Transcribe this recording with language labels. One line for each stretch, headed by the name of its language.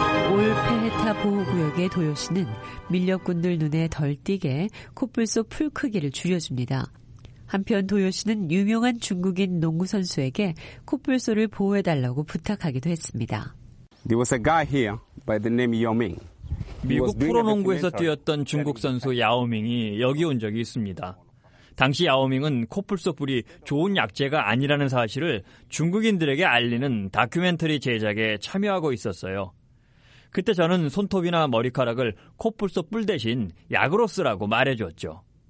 Korean: 올페헤타 보호구역의 도요시는 밀렵꾼들 눈에 덜 띄게 코뿔소 풀 크기를 줄여줍니다. 한편 도요시는 유명한 중국인 농구선수에게 코뿔소를 보호해달라고 부탁하기도 했습니다.
English: There was a guy here by the name Yaoming.
Korean: 미국 프로농구에서 뛰었던 중국 선수 야오밍이 여기 온 적이 있습니다. 당시 야오밍은 코뿔소 뿔이 좋은 약재가 아니라는 사실을 중국인들에게 알리는 다큐멘터리 제작에 참여하고 있었어요. 그때 저는 손톱이나 머리카락을 코뿔소 뿔 대신 약으로 쓰라고 말해줬죠.